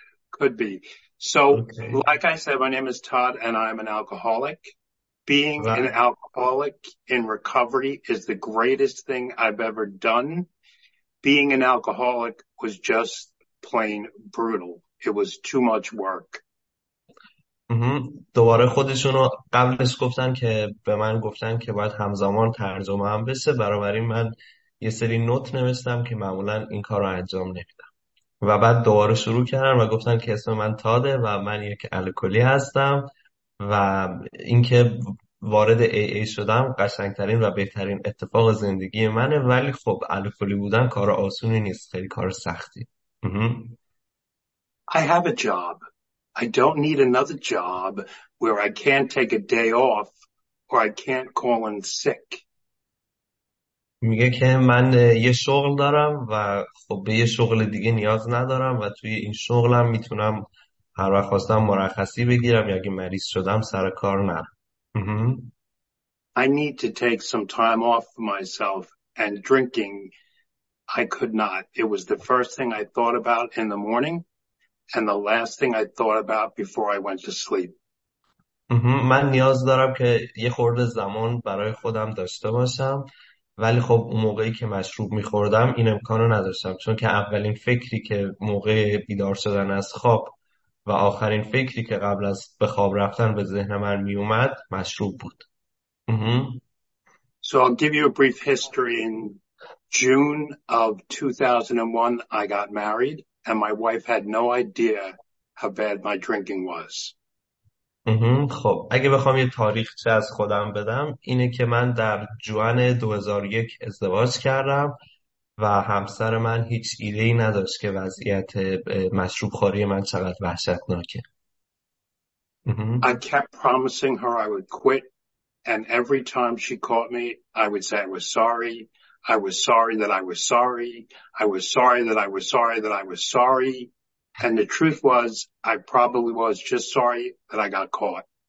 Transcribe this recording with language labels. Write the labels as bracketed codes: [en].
[en] Could be. So, okay. Like I said, my name is Todd and I'm an alcoholic. Being an alcoholic in recovery is the greatest thing I've ever done. Being an alcoholic was just plain brutal. It was too much work. [fa] دوباره خودشونو قبلش گفتن که به من گفتن که باید همزمان ترجمه هم بشه، بنابراین من یه سری نوت نوشتم که معمولا این کار رو انجام نمیدم و بعد دوباره شروع کردن و گفتن که اسم من تاده و من یک الکلی هستم و اینکه وارد AA شدم قشنگترین و بهترین اتفاق زندگی منه، ولی خب الکلی بودن کار آسونی نیست، خیلی کار سختی. [en] I have a job. I don't need another job where I can't take a day off or I can't call in sick. [fa] میگه که من یه شغل دارم و خب به یه شغل دیگه نیاز ندارم و توی این شغلم میتونم هر وقت خواستم مرخصی بگیرم یا اگه مریض شدم سر کار نرم. [en] I need to take some time off for myself and drinking. I could not. It was the first thing I thought about in the morning and the last thing I thought about before I went to sleep. [fa] من نیاز دارم که یه خورده زمان برای خودم داشته باشم، ولی خب اون موقعی که مشروب می‌خوردم این امکانو نداشتم، چون که اولین فکری که موقع بیدار شدن از خواب و آخرین فکری که قبل از به خواب رفتن به ذهن من می اومد مشروب بود. [en] So I'll give you a brief history. In June of 2001, I got married and my wife had no idea how bad my drinking was. [fa] خب اگه بخوام یه تاریخچه از خودم بدم اینه که من در جوان 2001 ازدواج کردم و همسر من هیچ ایده ای نداشت که وضعیت مشروب خوری من چقدر وحشتناکه. [en] I kept promising her I would quit and every time she caught me I would say I was sorry. I was sorry that I was sorry. I was sorry that I was sorry that I was sorry. And the truth was I probably was just sorry that I got caught.